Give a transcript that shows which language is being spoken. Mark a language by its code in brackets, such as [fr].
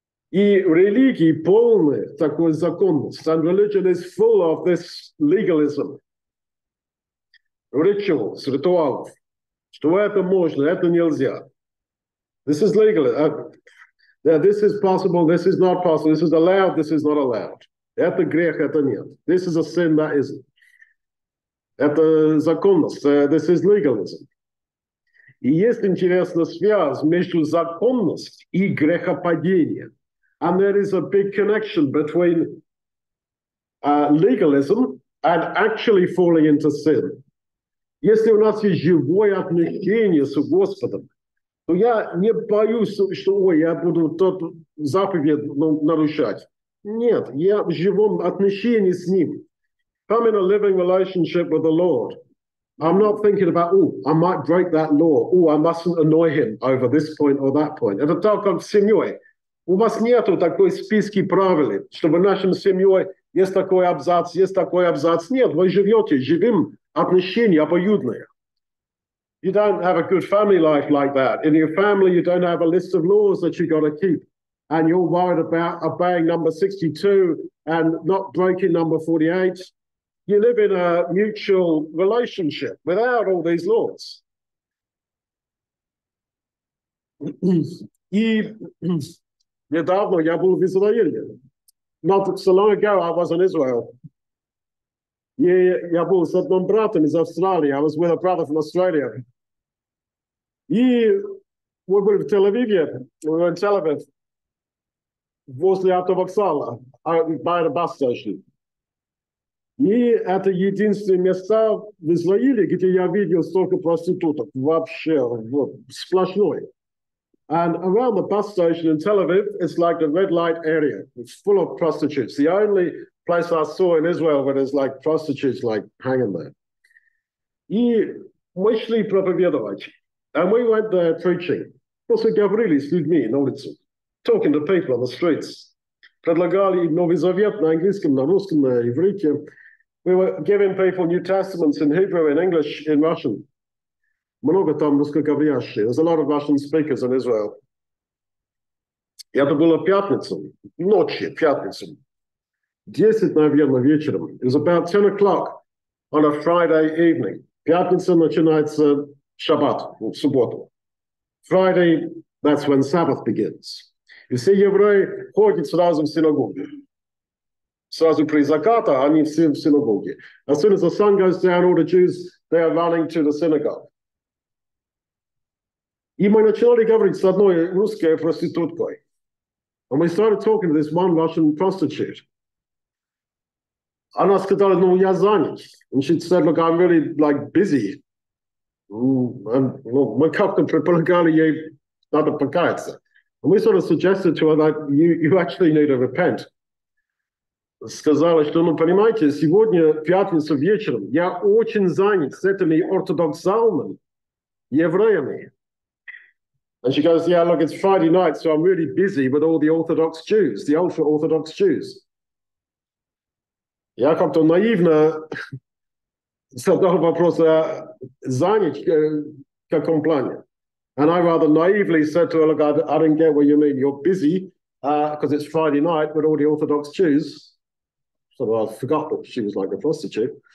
[ru] И религии полны такой законности. [en] And religion is full of this legalism. Rituals, ритуалов. [ru] Что это можно, это нельзя. [en] This is legal. This is possible, this is not possible. This is allowed, this is not allowed. [ru] Это грех, это нет. [en] This is a sin, that isn't. [ru] Это законность. [en] This is legalism. [ru] И есть интересная связь между законностью и грехопадением. [en] And there is a big connection between legalism and actually falling into sin. [ru] Если у нас есть живое отношение с Господом, то я не боюсь, что ой, я буду тот заповедь нарушать. Нет, я в живом отношении с Ним. [en] I'm in a living relationship with the Lord. I'm not thinking about, I might break that law. I mustn't annoy him over this point or that point. [ru] Это так, как в семье. У вас нет такой списки правил, что в нашем семье есть такой абзац. Нет, вы живете живым отношением обоюдное. [en] You don't have a good family life like that. In your family, you don't have a list of laws that you got to keep. and you're worried about obeying number 62 and not breaking number 48, you live in a mutual relationship without all these laws. [ru] И недавно я был в Израиле. [en] Not so long ago, I was in Israel. [ru] Я был с одним братом из Австралии. [en] I was with a brother from Australia. [ru] И мы были в Тель-Авиве. [en] We were in Tel-Aviv. [ru] Возле автовокзала. [en] By the bus station. [ru] И это единственное место в Израиле, где я видел столько проституток. Вообще, сплошной. [en] And around the bus station in Tel Aviv, it's like the red light area. It's full of prostitutes. The only place I saw in Israel where there's like prostitutes like hanging there. [ru] И мы шли проповедовать. [en] And we went there preaching. [ru] Просто говорили с людьми на улице. [en] Talking to people on the streets. [ru] Предлагали им Новый Завет на английском, на русском, на иврите. [en] We were giving people New Testaments in Hebrew, in English, in Russian. [ru] Много там русскоговорящих. [en] There's a lot of Russian speakers in Israel. [ru] И это было пятницу, ночью, пятницу. 10, наверное, вечером. [en] It was about 10 o'clock on a Friday evening. [ru] Пятница начинается Шаббат, в субботу. [en] Friday, that's when Sabbath begins. [ru] И все евреи ходят сразу в синагоги. Сразу при закате они все в синагоге. [en] As soon as the sun goes down, all the Jews, they are running to the synagogue. [ru] И мы начинали говорить с одной русской проституткой. [en] And we started talking to this one Russian prostitute. [ru] Она сказала, ну, я занят. [en] And she said, look, I'm really, like, busy. [ru] And, ну, мы как-то предполагали ей надо покаяться. [en] And we sort of suggested to her that you actually need to repent. [ru] Сказала, что, ну, понимаете, сегодня пятница вечером. Я очень занят с этими ортодоксальными евреями. [en] And she goes, yeah, look, it's Friday night, so I'm really busy with all the Orthodox Jews, the ultra-Orthodox Jews. [ru] Я как-то наивно задал вопрос, занят в каком плане? [en] And I rather naively said to her, look, I didn't get what you mean. You're busy because it's Friday night with all the Orthodox Jews. So I forgot that she was like a prostitute.